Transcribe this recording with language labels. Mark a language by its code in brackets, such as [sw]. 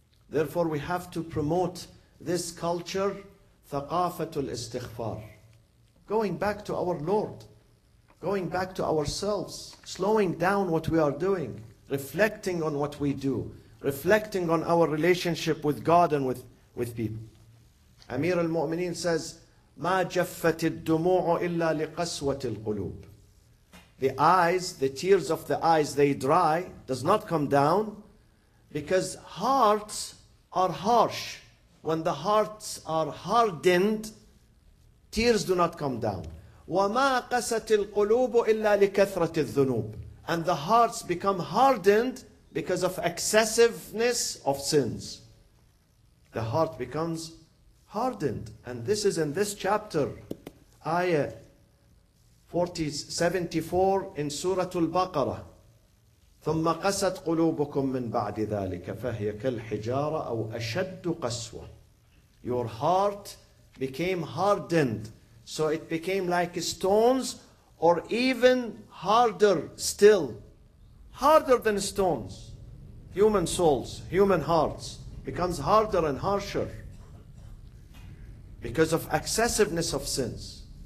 [en] Therefore, we have to promote this culture, [ar] ثقافة الاستغفار. [en] Going back to our Lord, going back to ourselves, slowing down what we are doing, reflecting on what we do, reflecting on our relationship with God and with people. Amir al-Mu'mineen says, [ar] ما جفت الدموع إلا لقسوة القلوب. [en] The eyes, the tears of the eyes, they dry, does not come down, because hearts are harsh. When the hearts are hardened, tears do not come down. [ar] وما قست القلوب إلا لكثرة الذنوب. [en] And the hearts become hardened because of excessiveness of sins. The heart becomes hardened. And this is in this chapter, ayah 74 in Surah Al-Baqarah. [ar] ثم قست قلوبكم من بعد ذلك فهي كالحجارة أو أشد قسوة. [en] Your heart became hardened, so it became like stones, or even harder still, harder than stones. Human souls, human hearts, becomes harder and harsher because of excessiveness of sins.